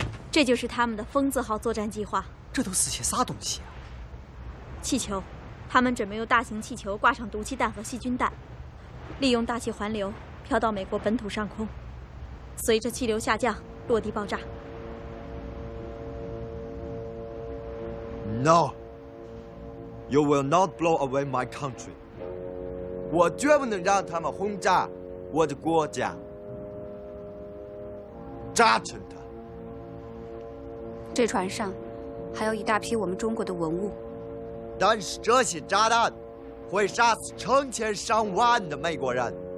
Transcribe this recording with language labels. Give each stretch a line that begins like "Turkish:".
Chinese: 这就是他们的疯子号作战计划。这都死些啥东西啊？气球，他们准备用大型气球挂上毒气弹和细菌弹，利用大气环流飘到美国本土上空，随着气流下降落地爆炸。
English: No, you will not blow away my country.
Chinese: 我绝不能让他们轰炸我的国家，炸沉它。这船上还有一大批我们中国的文物，但是这些炸弹会杀死成千上万的美国人。